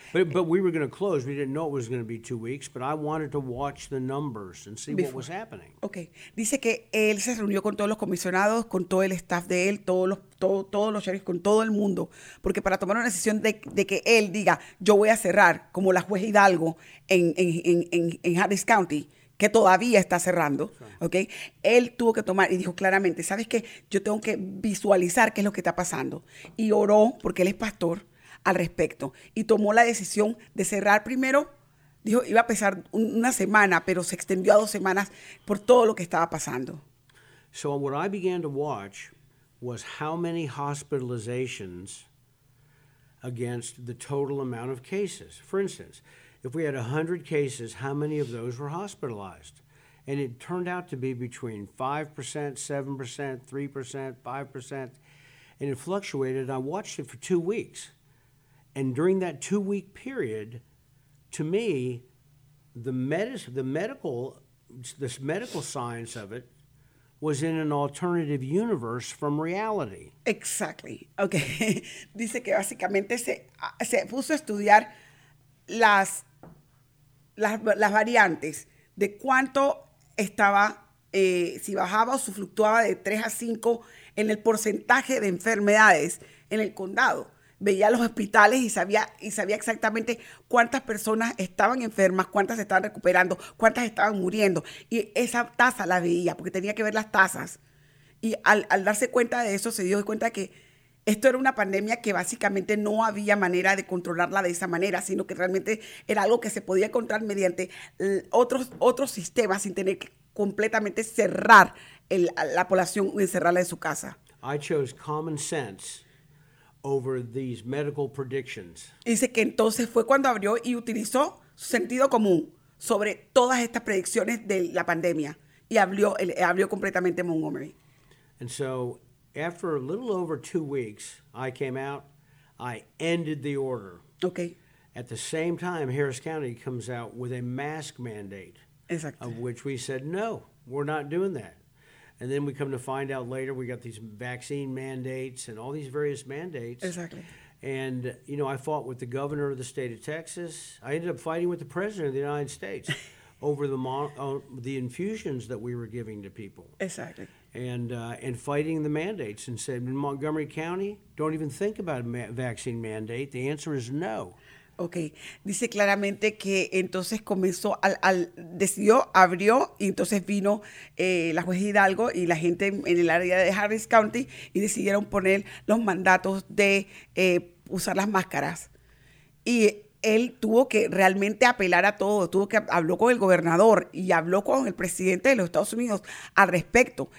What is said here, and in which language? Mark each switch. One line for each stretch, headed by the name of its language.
English: But we were going to close. We didn't know it was going to be 2 weeks, but I wanted to watch the numbers and see what was happening. Okay.
Spanish: Dice que él se reunió con todos los comisionados, con todo el staff de él, todos los sheriffs, con todo el mundo, porque para tomar una decisión de que él diga, yo voy a cerrar, como la juez Hidalgo en Harris County, que todavía está cerrando, ¿ok? Él tuvo que tomar y dijo claramente, ¿sabes qué? Yo tengo que visualizar qué es lo que está pasando. Y oró, porque él es pastor, al respecto. Y tomó la decisión de cerrar primero. Dijo, iba a pesar una semana, pero se extendió a dos semanas por todo lo que estaba pasando.
English: So what I began to watch was how many hospitalizations against the total amount of cases. For instance, if we had 100 cases, how many of those were hospitalized? And it turned out to be between 5%, 7%, 3%, 5%, and it fluctuated. I watched it for 2 weeks. And during that two-week period, to me, the medical science of it was in an alternative universe from reality. Exactly. Okay.
Spanish: Dice que básicamente se puso a estudiar las variantes de cuánto estaba, si bajaba o si fluctuaba de 3 a 5 en el porcentaje de enfermedades en el condado. Veía los hospitales y sabía exactamente cuántas personas estaban enfermas, cuántas estaban recuperando, cuántas estaban muriendo. Y esa tasa la veía, porque tenía que ver las tasas. Y al darse cuenta de eso, se dio cuenta que esto era una pandemia que básicamente no había manera de controlarla de esa manera, sino que realmente era algo que se podía controlar mediante otros sistemas sin tener que completamente cerrar la población y encerrarla en su casa.
English: I chose common sense over these medical predictions.
Spanish: Dice que entonces fue cuando abrió y utilizó su sentido común sobre todas estas predicciones de la pandemia y abrió completamente Montgomery.
English: And so after a little over 2 weeks, I came out, I ended the order. Okay. At the same time, Harris County comes out with a mask mandate. Exactly. Of which we said, no, we're not doing that. And then we come to find out later, we got these vaccine mandates and all these various mandates. Exactly. And, you know, I fought with the governor of the state of Texas. I ended up fighting with the president of the United States over the infusions that we were giving to people. Exactly. And fighting the mandates and said, in Montgomery County, don't even think about a vaccine mandate. The answer is no. Okay.
Spanish: Dice claramente que entonces comenzó, decidió, abrió, y entonces vino la juez Hidalgo y la gente en el área de Harris County y decidieron poner los mandatos de usar las máscaras. Y él tuvo que realmente apelar a todo, habló con el gobernador y habló con el presidente de los Estados Unidos al respecto.